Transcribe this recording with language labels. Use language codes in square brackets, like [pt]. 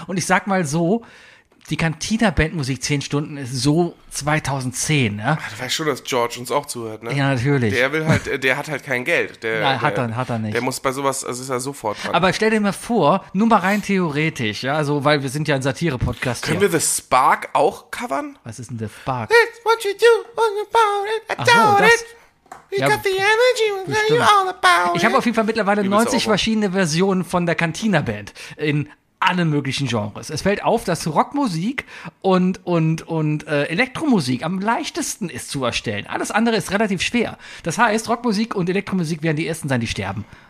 [de] Und ich sag mal so, die Cantina-Bandmusik 10 Stunden ist so 2010, ja. Du weißt schon, dass George uns auch zuhört, ne? Ja, natürlich. Der hat halt kein Geld. Nein, hat er nicht. Der muss bei sowas, also ist er sofort dran. Aber stell dir mal vor, nur mal rein theoretisch, ja, also, weil wir sind ja ein Satire-Podcast. Können hier. Wir The Spark auch covern? Was ist denn The Spark? [en] It's what you do when you're about it. I doubt it. You got the energy, you're all about it. [de] Ich habe auf jeden Fall mittlerweile 90 verschiedene Versionen von der Cantina-Band in alle möglichen Genres. Es fällt auf, dass Rockmusik und Elektromusik am leichtesten ist zu erstellen. Alles andere ist relativ schwer. Das heißt, Rockmusik und Elektromusik werden die ersten sein, die sterben.